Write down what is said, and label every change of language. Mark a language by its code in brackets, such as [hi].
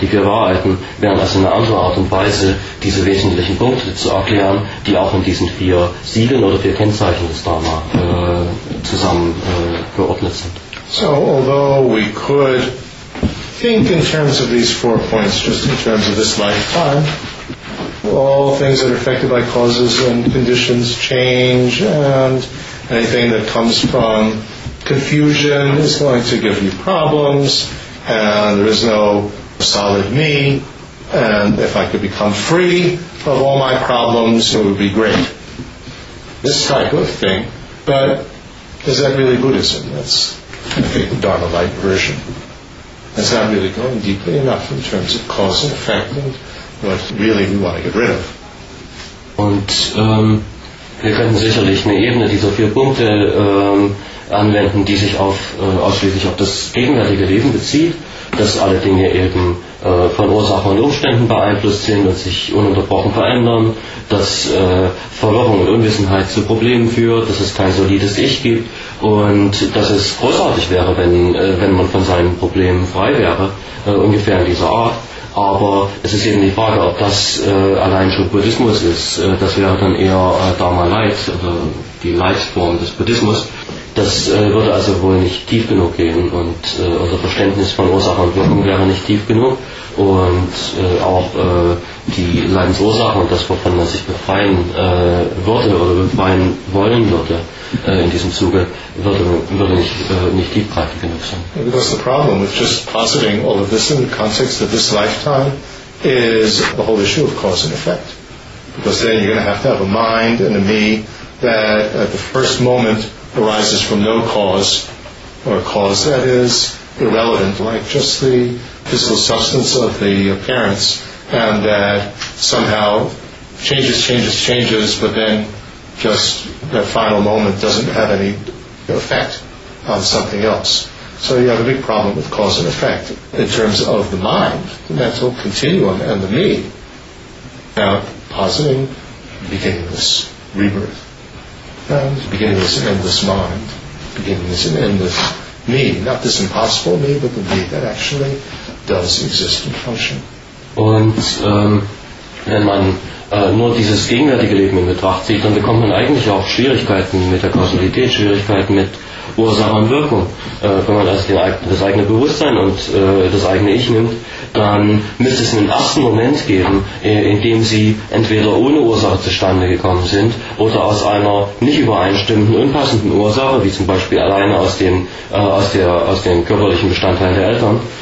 [de] Die vier Wahrheiten wären also eine andere Art und Weise, diese wesentlichen Punkte zu erklären, die auch in diesen vier Siegeln oder vier Kennzeichen des Dharma zusammen geordnet sind. [en] So, although we could think in terms of these four points, just in terms of this lifetime, all things that are affected by causes and conditions change, and anything that comes from confusion is going to give you problems, and there is no solid me, and if I could become free of all my problems, it would be great. This type of thing. But is that really Buddhism? That's, I think, the Dharma-like version. Is that really going deeply enough in terms of cause and effect and what really we want to get rid of? [de] Und wir könnten sicherlich eine Ebene dieser vier Punkte anwenden, die sich ausschließlich auf das gegenwärtige Leben bezieht, dass alle Dinge eben von Ursachen und Umständen beeinflusst sind und sich ununterbrochen verändern, dass Verwirrung und Unwissenheit zu Problemen führt, dass es kein solides Ich gibt und dass es großartig wäre, wenn man von seinen Problemen frei wäre, ungefähr in dieser Art. Aber es ist eben die Frage, ob das allein schon Buddhismus ist. Das wäre dann eher Dharma Light oder die Lightform des Buddhismus. Das würde also wohl nicht tief genug gehen und unser Verständnis von Ursache und Wirkung wäre nicht tief genug und auch die Leidensursache und das, wovon man sich befreien würde oder befreien wollen würde in diesem Zuge, würde nicht tiefgreifend genug sein. [en] Because the problem with just positing all of this in the context of this lifetime is the whole issue of cause and effect. Because then you're going to have a mind and a me that at the first moment arises from no cause, or a cause that is irrelevant, like just the physical substance of the parents, and that somehow changes, but then just that final moment doesn't have any effect on something else. So you have a big problem with cause and effect in terms of the mind, the mental continuum, and the me. Now, positing beginningless rebirth, and beginningless endless mind, beginningless and endless me, not this impossible me, but the me that actually does exist and function. [de] Und wenn man nur dieses gegenwärtige Leben in Betracht zieht, dann bekommt man eigentlich auch Schwierigkeiten mit der Kausalität, Schwierigkeiten mit Ursache und Wirkung. Wenn man also das eigene Bewusstsein und das eigene Ich nimmt, dann müsste es einen ersten Moment geben, in dem sie entweder ohne Ursache zustande gekommen sind oder aus einer nicht übereinstimmenden, unpassenden Ursache, wie zum Beispiel alleine aus den körperlichen Bestandteilen der Eltern.